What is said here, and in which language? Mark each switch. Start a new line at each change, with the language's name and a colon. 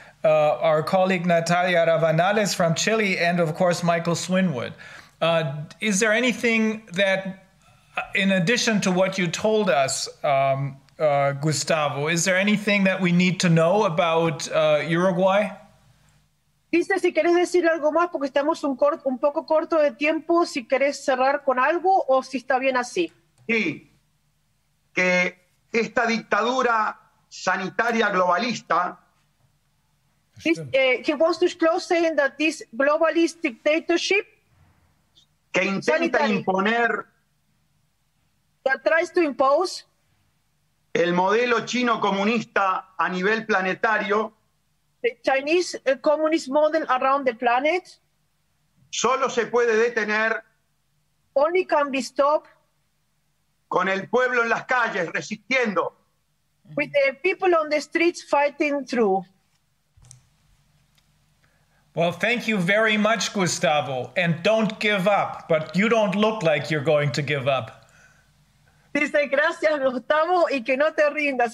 English: Our colleague Natalia Ravanales from Chile and of course Michael Swinwood. Is there anything that in addition to what you told us, Gustavo, is there anything that we need to know about Uruguay?
Spanish: Dice, si quieres decir algo más, porque estamos un poco corto de tiempo, si quieres cerrar con algo o si está bien así. Sí, que esta dictadura sanitaria globalista.
English: He wants to close saying that this globalist dictatorship.
Spanish: Que intenta sanitary. Imponer.
English: That tries to impose
Spanish: el modelo chino comunista a nivel planetario,
English: the Chinese communist model around the planet,
Spanish: solo se puede detener
English: only can be stopped
Spanish: con el pueblo en las calles resistiendo,
English: with the people on the streets fighting through. Well, thank you very much, Gustavo, and don't give up, but you don't look like you're going to give up.
Spanish: Dice, gracias, Gustavo, y que no te rindas.